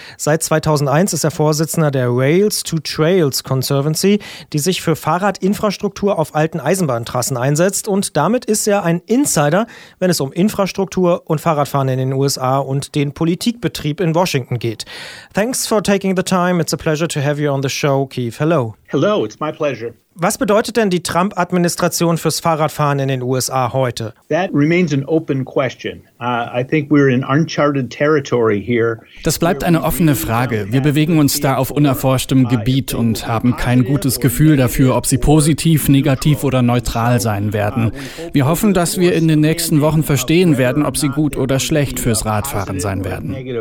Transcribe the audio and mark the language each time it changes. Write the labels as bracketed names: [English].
[German] Seit 2001 ist er Vorsitzender der Rails to Trails Conservancy, die sich für Fahrradinfrastruktur auf alten Eisenbahntrassen einsetzt. Und damit ist er ein Insider, wenn es um Infrastruktur und Fahrradfahren in den USA und den Politikbetrieb in Washington geht. [English] Thanks for taking the time. It's a pleasure to have you on the show, Keith. Hello. Hello, it's my pleasure. [German] Was bedeutet denn die Trump-Administration fürs Fahrradfahren in den USA heute? [English] That remains an open question. I think we're in uncharted territory here. [German] Das bleibt eine offene Frage. Wir bewegen uns da auf unerforschtem Gebiet und haben kein gutes Gefühl dafür, ob sie positiv, negativ oder neutral sein werden. Wir hoffen, dass wir in den nächsten Wochen verstehen werden, ob sie gut oder schlecht fürs Radfahren sein werden.